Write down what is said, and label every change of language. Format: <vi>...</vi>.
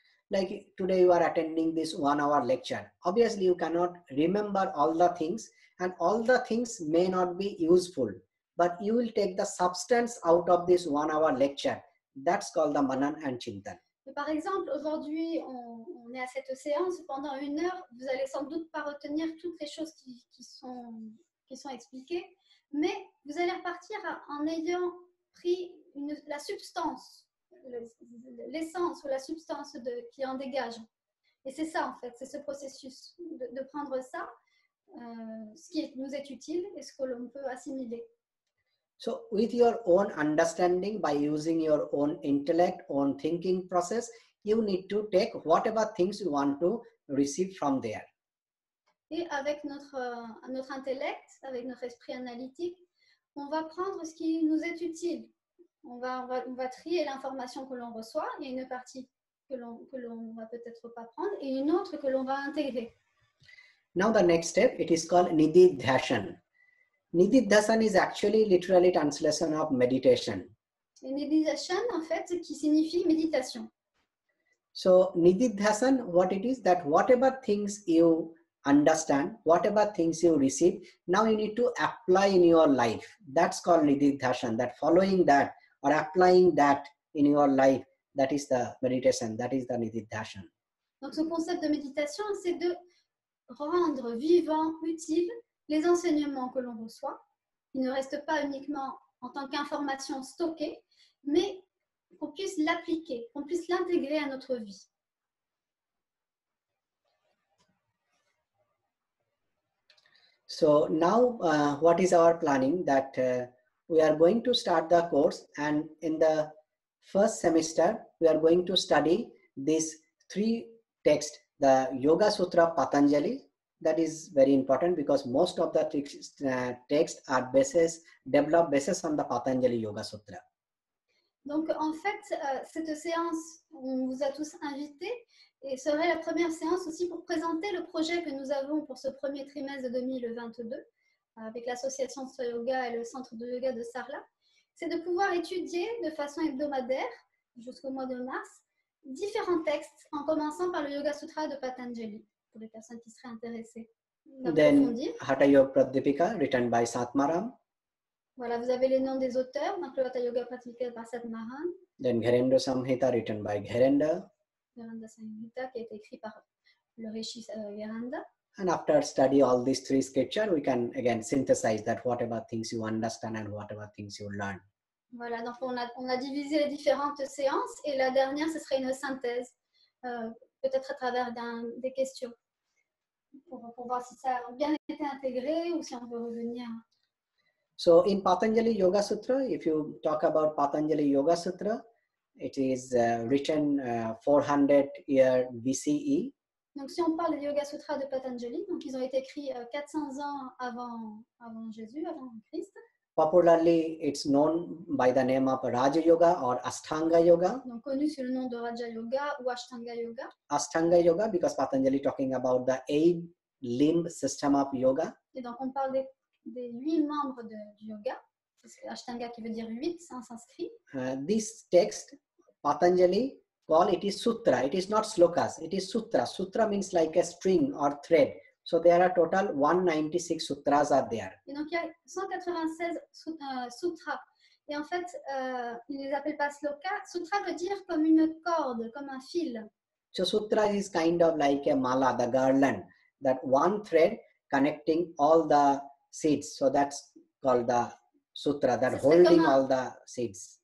<en>Like today you are attending this 1 hour lecture. Obviously you cannot remember all the things and all the things may not be useful, but you will take the substance out of this 1 hour lecture. That's called the manan and chintan.</en> <fr>Par exemple, aujourd'hui on est à cette séance, pendant une heure, vous allez sans doute pas retenir toutes les choses qui sont expliquées, mais vous allez repartir en ayant pris la substance. L'essence ou la substance qui en dégage. Et c'est ça, en fait, c'est ce processus de prendre ça, ce qui nous est utile et ce que l'on peut assimiler.</fr> <en>So, with your own understanding, by using your own intellect, own thinking process, you need to take whatever things you want to receive from there.</en> <fr>Et avec notre intellect, avec notre esprit analytique, on va prendre ce qui nous est utile. On va trier l'information que l'on reçoit. Il y a une partie que l'on va peut-être pas prendre et une autre que l'on va intégrer.</fr> <en>Now the next step, it is called Nididhyasana. Nididhyasana is actually literally translation of meditation.</en> <fr>Et Nididhyasana, en fait, qui signifie méditation.</fr> <en>So Nididhyasana, what it is, that whatever things you understand, whatever things you receive, now you need to apply in your life. That's called Nididhyasana, that following that or applying that in your life, that is the meditation, that is the Nididhyasana.</en> <fr>Donc ce concept de méditation, c'est de rendre vivant, utile, les enseignements que l'on reçoit. Ils ne restent pas uniquement en tant qu'information stockée, mais qu'on puisse l'appliquer, qu'on puisse l'intégrer à notre vie.</fr> <en>So now, what is our planning? That we are going to start the course, and in the first semester, we are going to study these three texts, the Yoga Sutra of Patanjali. That is very important because most of the texts are developed on the Patanjali Yoga Sutra.</en> <fr>Donc, en fait, cette séance, on vous a tous invités, et serait la première séance aussi pour présenter le projet que nous avons pour ce premier trimestre de 2022 avec l'association Sutra Yoga et le centre de yoga de Sarlat. C'est de pouvoir étudier de façon hebdomadaire jusqu'au mois de mars différents textes en commençant par le Yoga Sutra de Patanjali pour les personnes qui seraient intéressées d'approfondir.</fr> <en>Then, Hatha Yoga Pradipika, written by Satmaram.</en> <fr>Voilà, vous avez les noms des auteurs, donc le Hatha Yoga Pradipika par Satmaram.</fr> <en>Then Gharendra Samhita, written by Gharendra.</en> <fr>Gharanda Samhita, qui a été écrit par le Rishi Gharanda.</fr> <en>And after study all these three scriptures, we can again synthesize that whatever things you understand and whatever things you learn.</en> <fr>Voilà, donc on a divisé les différentes séances et la dernière, ce serait une synthèse, peut-être à travers des questions, pour voir si ça a bien été intégré ou si on peut revenir.</fr> <en>So in Patanjali Yoga Sutra, if you talk about Patanjali Yoga Sutra, it is written 400 years BCE.</en> <fr>Donc si on parle du Yoga Sutra de Patanjali, donc ils ont été écrits 400 ans avant Jésus, avant Christ.</fr> <en>Popularly, it's known by the name of Raja Yoga or Ashtanga Yoga.</en> <fr>Donc connu sous le nom de Raja Yoga ou Ashtanga Yoga.</fr> <en>Ashtanga Yoga because Patanjali talking about the eight limb system of yoga.</en> <fr>Et donc on parle des huit membres du yoga. Ashtanga qui veut dire 8 sans sanskrit.</fr> <en>This text, Patanjali, call it is sutra. It is not slokas. It is sutra. Sutra means like a string or thread. So there are total 196 sutras are there.</en> <fr>Et donc il y a 196 sutras. Et en fait, ils ne les appellent pas slokas. Sutra veut dire comme une corde, comme un fil.</fr> <en>So sutra is kind of like a mala, the garland. That one thread connecting all the seeds. So that's called the sutra, that holding all the seeds.</en>